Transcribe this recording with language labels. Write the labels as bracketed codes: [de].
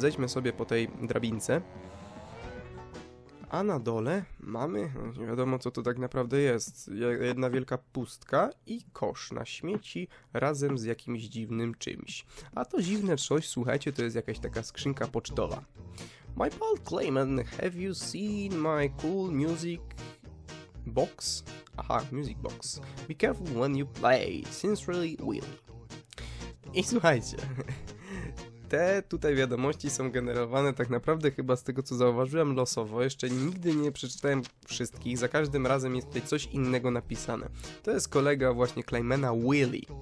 [pl] Zejdźmy sobie po tej drabince. A na dole mamy, nie wiadomo, co to tak naprawdę jest. Jedna wielka pustka i kosz na śmieci razem z jakimś dziwnym czymś. A to dziwne coś, słuchajcie, to jest jakaś taka skrzynka pocztowa. [en] My pal Clayman, have you seen my cool music box? Aha, music box. Be careful when you play, sincerely will. [pl] I słuchajcie, te tutaj wiadomości są generowane tak naprawdę chyba z tego, co zauważyłem, losowo. Jeszcze nigdy nie przeczytałem wszystkich. Za każdym razem jest tutaj coś innego napisane. To jest kolega właśnie Claymana, Willy.